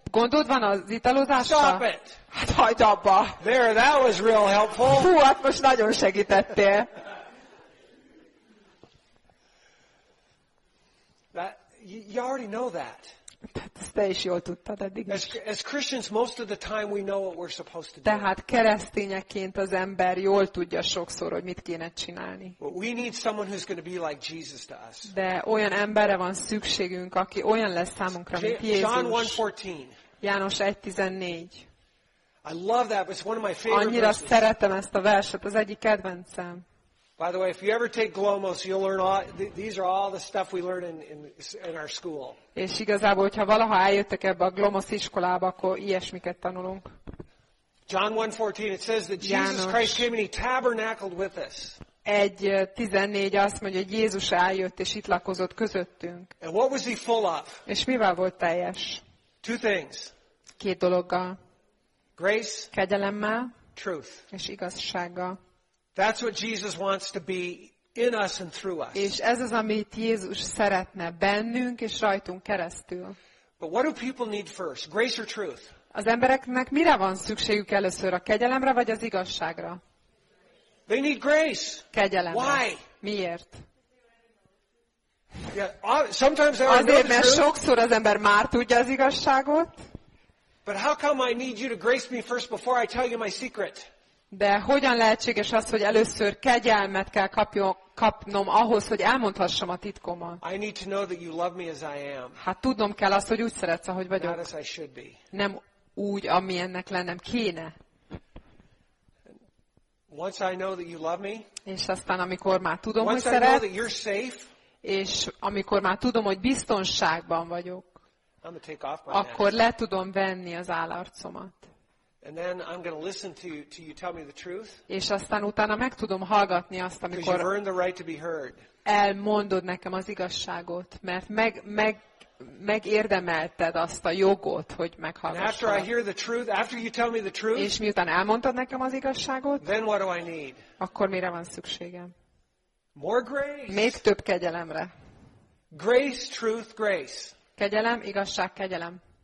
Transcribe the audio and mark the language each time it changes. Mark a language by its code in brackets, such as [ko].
[hu] Gondod van az italozásra? [en] Stop it! [hu] Hát hagyd abba! [en] There, that was real helpful. [hu] Hú, hát most nagyon segítettél. [en] That, you already know that. [hu] Te is jól tudtad eddig is. [en] As Christians, most of the time we know what we're supposed to do. [hu] Tehát keresztényeként az ember jól tudja sokszor, hogy mit kéne csinálni. [en] But we need someone who's going to be like Jesus to us. [hu] De olyan emberre van szükségünk, aki olyan lesz számunkra, mint Jézus. [en] John 1:14. [hu] János 1:14. [en] I love that. It's one of my favorite. [hu] Annyira szeretem ezt a verset, az egyik kedvencem. [en] By the way, if you ever take Glomos, you'll learn all these are all the stuff we learn in our school. [hu] És igazából, hogyha valaha eljöttek ebbe a Glomos iskolába, akkor ilyesmiket tanulunk. [en] John 1:14 it says that Jesus Christ came and he tabernacled with us. [hu] 1:14 azt mondja, hogy Jézus eljött és itt lakozott közöttünk. [en] And what was he full of? [hu] És mivel volt teljes? [en] Two things. [hu] Két dologgal. [en] Grace. [hu] Kegyelemmel. [en] Truth. [hu] És igazsággal. [en] That's what Jesus wants to be in us and through us. [hu] És ez az, amit Jézus szeretne bennünk és rajtunk keresztül. [en] But what do people need first? Grace or truth? [hu] Az embereknek mire van szükségük először, a kegyelemre vagy az igazságra? [en] They need grace. [hu] Kegyelemre. [en] Why? [hu] Miért? [en] Yeah, sometimes I know the truth. [hu] Azért, mert sokszor az ember már tudja az igazságot. [en] But how come I need you to grace me first before I tell you my secret? [hu] De hogyan lehetséges az, hogy először kegyelmet kell kapnom ahhoz, hogy elmondhassam a titkomat? [en] I need to know that you love me as I am. [hu] Hát tudnom kell azt, hogy úgy szeretsz, ahogy vagyok. [en] Not as I should be. [hu] Nem úgy, amilyennek lennem kéne. [en] Once I know that you love me, [hu] és aztán, amikor már tudom, [en] once [hu] hogy [en] I [hu] szeret, [en] know that you're safe, [hu] és amikor már tudom, hogy biztonságban vagyok, [en] I'm gonna take off my [hu] akkor [en] mask. [hu] Le tudom venni az állarcomat. [en] And then I'm going to listen to you, till you tell me the truth. [hu] És aztán utána meg tudom hallgatni azt, amikor [en] you've earned the right to be heard. [hu] Elmondod nekem az igazságot, mert megérdemelted azt a jogot, hogy meghallgassam. [en] After I hear the truth, after you tell me the truth. [hu] És miután elmondtad nekem az igazságot, [en] then what do I need? [hu] Akkor mire van szükségem? [en] More grace. [hu] Még több kegyelemre. [en] Grace, truth, grace. [hu] Kegyelem, igazság, kegyelem.